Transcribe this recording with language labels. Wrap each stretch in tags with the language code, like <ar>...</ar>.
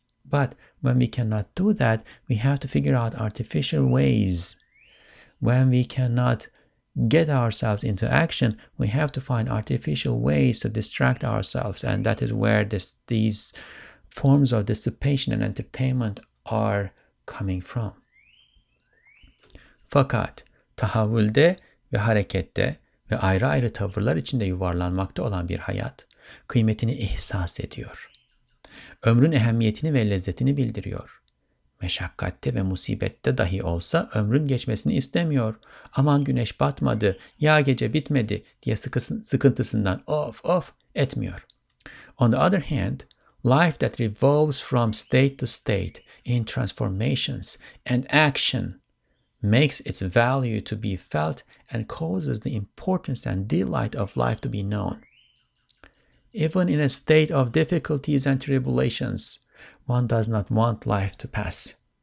<en>But when we cannot do that, we have to figure out artificial ways. When we cannot get ourselves into action, we have to find artificial ways to distract ourselves. And that is where these forms of dissipation and entertainment are coming from.</en> <tr>Fakat tahavvülde ve harekette ve ayrı ayrı tavırlar içinde yuvarlanmakta olan bir hayat kıymetini ihsas ediyor. Ömrün ehemmiyetini ve lezzetini bildiriyor. Meşakkatte ve musibette dahi olsa ömrün geçmesini istemiyor. Aman güneş batmadı, ya gece bitmedi diye sıkıntısından of of etmiyor.</tr> <en>On the other hand, life that revolves from state to state in transformations and action makes its value to be felt and causes the importance and delight of life to be known. Even in a state of difficulties and tribulations, one does not want life to pass.</en>